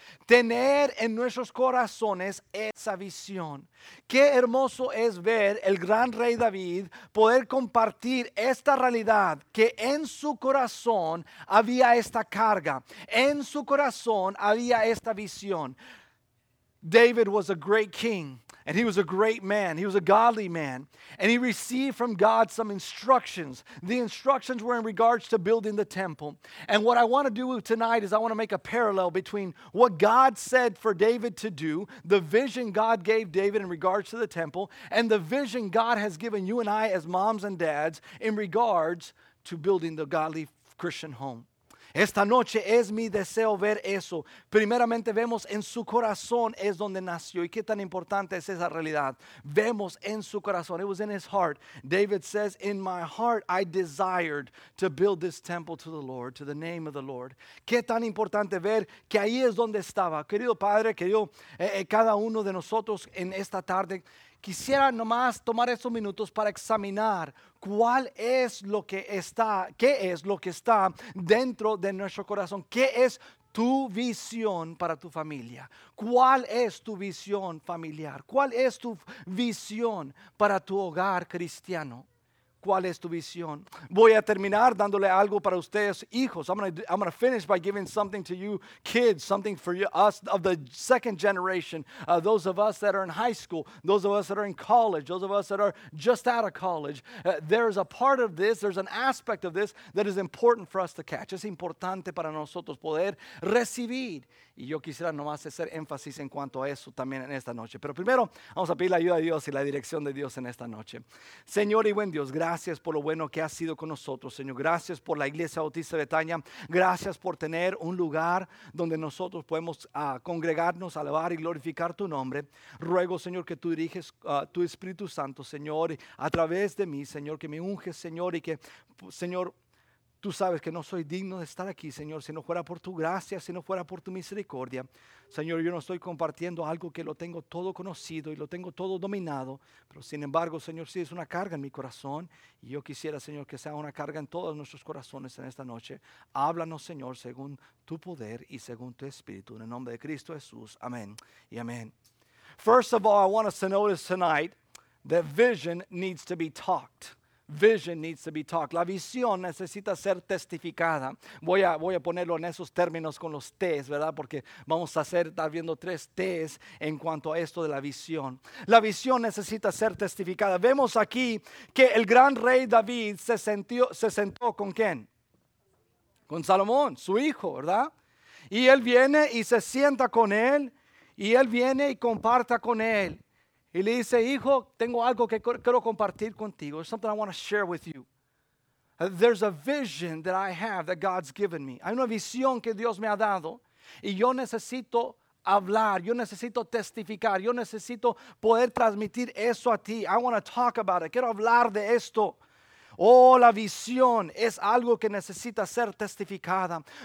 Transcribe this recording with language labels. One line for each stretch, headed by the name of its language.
Spanish: Tener en nuestros corazones esa visión. Qué hermoso es ver el gran rey David poder compartir esta realidad, que en su corazón había esta carga, en su corazón había esta visión.
English: David was a great king, and he was a great man. He was a godly man, and he received from God some instructions. The instructions were in regards to building the temple. And what I want to do tonight is I want to make a parallel between what God said for David to do, the vision God gave David in regards to the temple, and the vision God has given you and I as moms and dads in regards to building the godly Christian home.
Spanish: Esta noche es mi deseo ver eso. Primeramente vemos en su corazón es donde nació. Y qué tan importante es esa realidad. Vemos en su corazón.
English: It was in his heart. David says, in my heart I desired to build this temple to the Lord, to the name of the Lord.
Spanish: Qué tan importante ver que ahí es donde estaba. Querido Padre, querido cada uno de nosotros en esta tarde, quisiera nomás tomar esos minutos para examinar cuál es lo que está, qué es lo que está dentro de nuestro corazón. ¿Qué es tu visión para tu familia? ¿Cuál es tu visión familiar? ¿Cuál es tu visión para tu hogar cristiano? ¿Cuál es tu visión? Voy a terminar dándole algo para ustedes, hijos.
English: I'm gonna finish by giving something to you, kids, something for you, us of the second generation, those of us that are in high school, those of us that are in college, those of us that are just out of college. There's a part of this, there's an aspect of this that is important for us to catch.
Spanish: Es importante para nosotros poder recibir. Y yo quisiera nomás hacer énfasis en cuanto a eso también en esta noche. Pero primero, vamos a pedir la ayuda de Dios y la dirección de Dios en esta noche. Señor y buen Dios, gracias por lo bueno que has sido con nosotros, Señor. Gracias por la Iglesia Bautista de Betania. Gracias por tener un lugar donde nosotros podemos congregarnos, alabar y glorificar tu nombre. Ruego, Señor, que tú diriges tu Espíritu Santo, Señor, a través de mí, Señor, que me unges, Señor, y que, Señor, tú sabes que no soy digno de estar aquí, Señor, si no fuera por tu gracia, si no fuera por tu misericordia. Señor, yo no estoy compartiendo algo que lo tengo todo conocido y lo tengo todo dominado, pero sin embargo, Señor, sí es una carga en mi corazón y yo quisiera, Señor, que sea una carga en todos nuestros corazones en esta noche. Háblanos, Señor, según tu poder y según tu espíritu. En el nombre de Cristo Jesús, amén y amén.
English: First of all, I want us to notice tonight that vision needs to be talked. Vision needs to be talked.
Spanish: La visión necesita ser testificada. Voy a ponerlo en esos términos con los T's, ¿verdad? Porque vamos a estar viendo tres T's en cuanto a esto de la visión. La visión necesita ser testificada. Vemos aquí que el gran rey David se sentó ¿con quién? Con Salomón, su hijo, ¿verdad? Y él viene y se sienta con él. Y él viene y comparta con él. Y le dice, hijo, tengo algo que quiero compartir contigo.
English: There's something I want to share with you. There's a vision that I have that God's given me.
Spanish: Hay una visión que Dios me ha dado. Y yo necesito hablar. Yo necesito testificar. Yo necesito poder transmitir eso a ti.
English: I want to talk about it.
Spanish: Quiero hablar de esto. Oh, la visión es algo que necesita ser testificada.